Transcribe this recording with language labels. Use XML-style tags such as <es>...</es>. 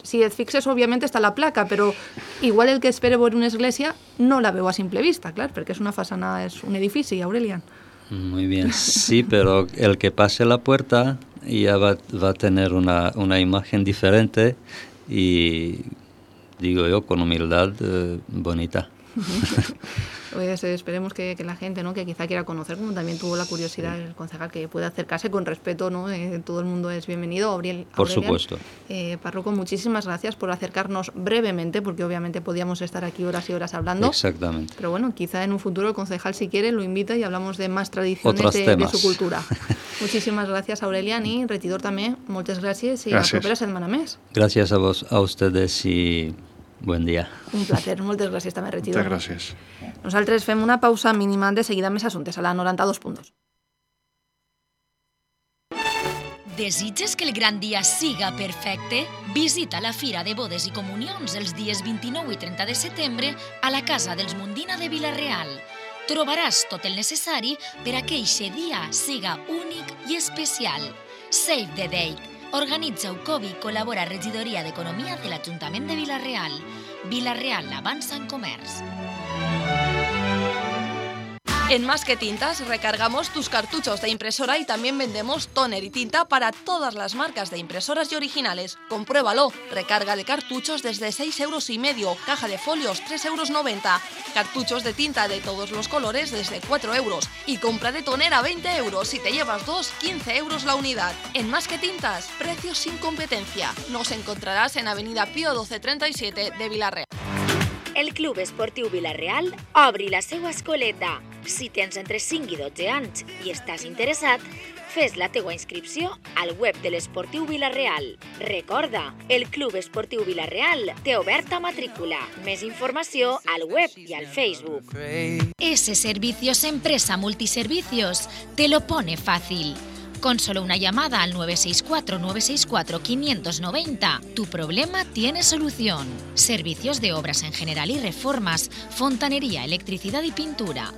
<ca>Si et fixes, òbviament està la placa, però igual el que espere veure una església no la veu a simple vista, clar, perquè és una façana, és un edifici, Aurelien.</ca> <es>Muy bien, sí,</es> <ca>però el que passe</ca> <es>la puerta</es> <ca>ja va tenir una imatge diferent i, digo jo,</ca> <es>con humildad, bonita. Pues esperemos que la gente, ¿no?, que quizá quiera conocer, como también tuvo la curiosidad, sí, el concejal, que pueda acercarse con respeto, ¿no? Todo el mundo es bienvenido. Aurelien, por supuesto. Párroco, muchísimas gracias por acercarnos brevemente, porque obviamente podíamos estar aquí horas y horas hablando. Exactamente. Pero bueno, quizá en un futuro el concejal, si quiere, lo invita y hablamos de más tradiciones de su cultura. Muchísimas gracias, Aurelien, y regidor también, muchas gracias y gracias. A la propera semana más. Gracias a vos, a ustedes y buen día.</es> <ca>Un placer, moltes gràcies també, regidor. Moltes gràcies. Nosaltres fem una pausa mínima, de seguida més assumptes a la 92.2. Desitges que el gran dia siga perfecte? Visita la Fira de Bodes i Comunions els dies 29 i 30 de setembre a la Casa dels Mundina de Vila-real. Trobaràs tot el necessari per a que eixe dia siga únic i especial.</ca> <en>Save the date.</en> <ca>Organitza UCOBI, col·labora Regidoria d'Economia de l'Ajuntament de Vila-real. Vila-real, avança en comerç.</ca> <es>En Más que Tintas recargamos tus cartuchos de impresora y también vendemos tóner y tinta para todas las marcas de impresoras y originales. Compruébalo. Recarga de cartuchos desde 6,5 euros. Caja de folios, 3,90 euros. Cartuchos de tinta de todos los colores desde 4 euros. Y compra de tóner a 20 euros. Si te llevas dos, 15 euros la unidad. En Más que Tintas, precios sin competencia. Nos encontrarás en Avenida Pío 1237 de Vilarreal.</es> <ca>El Club Esportiu Vilarreal obre la seva escoleta. Si tens entre 5 i 12 anys i estàs interessat, fes la teua inscripció al web de l'Esportiu Vilarreal. Recorda, el Club Esportiu Vilarreal té oberta matrícula. Més informació al web i al Facebook.</ca> <es>Ese Servicios Empresa Multiservicios te lo pone fácil. Con solo una llamada al 964-964-590, tu problema tiene solución. Servicios de obras en general y reformas, fontanería, electricidad y pintura.</es>